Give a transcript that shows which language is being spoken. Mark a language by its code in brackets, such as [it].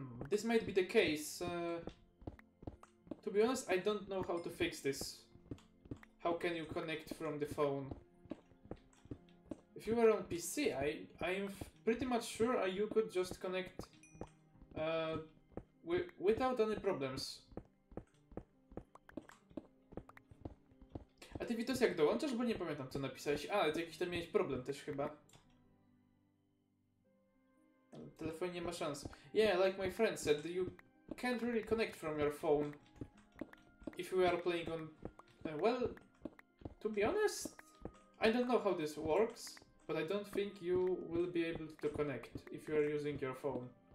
[en] This might be the case. To be honest, I don't know how to fix this. How can you connect from the phone? If you were on PC, I'm pretty much sure you could just connect without any problems. [pl] A ty Witus, jak dołączasz, bo nie pamiętam co napisałeś. A, ale to jakiś tam miałeś problem też chyba. Telefon nie ma szans. [en] Yeah, like my friend said, you can't really connect from your phone if you are playing on... well... To be honest, I don't know how this works, but I don't think you will be able to connect if you are using your phone.